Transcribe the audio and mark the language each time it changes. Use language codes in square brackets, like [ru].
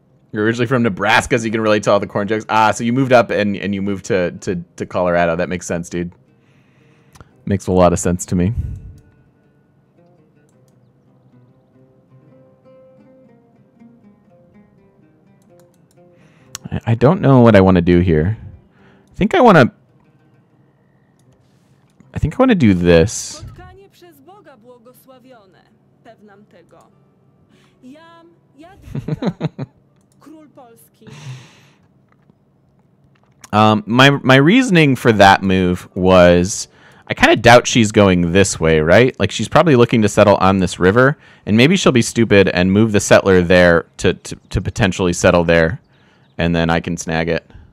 [en] You're originally from Nebraska, so you can relate to all the corn jokes. Ah, so you moved up and you moved to Colorado. That makes sense, dude. Makes a lot of sense to me. I don't know what I want to do here. I think I want to do this. [pl] Spotkanie przez Boga błogosławione. Pewnam tego. Jam Jadwiga, król Polski. [en] My reasoning for that move was I kind of doubt she's going this way, right? Like, she's probably looking to settle on this river, and maybe she'll be stupid and move the settler there to potentially settle there, and then I can snag it.